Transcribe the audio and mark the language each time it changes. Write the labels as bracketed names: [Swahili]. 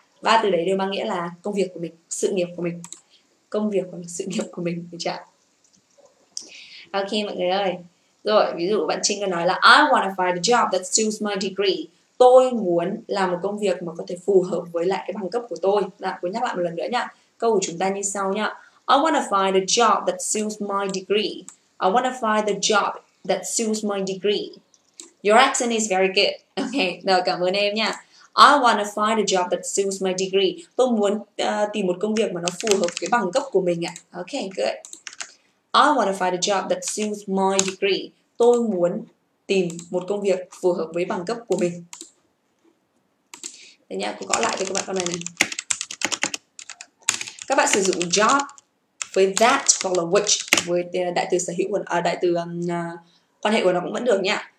[Vietnamese] Ba từ đấy đều mang nghĩa là công việc của mình, sự nghiệp của mình. Công việc và sự nghiệp của mình. Được chưa? Ok mọi người ơi. Rồi, ví dụ bạn Trinh có nói là [English] I want to find a job that suits my degree. [Vietnamese] Tôi muốn làm một công việc mà có thể phù hợp với lại cái bằng cấp của tôi. Đã, cô nhắc lại một lần nữa nhá. Câu của chúng ta như sau nhá. [English] I want to find a job that suits my degree. I want to find a job that suits my degree. Your accent is very good. Okay, [Vietnamese] rồi cảm ơn em nha. [English] I want to find a job that suits my degree. [Vietnamese] Tôi muốn tìm một công việc mà nó phù hợp với bằng cấp của mình ạ. [English] Okay, good. I want to find a job that suits my degree. [Vietnamese] Tôi muốn tìm một công việc phù hợp với bằng cấp của mình. Đây nha, cô gõ lại cho các bạn con này này. Các bạn sử dụng job với that hoặc là which với đại từ sở hữu của đại từ quan hệ của nó cũng vẫn được nha.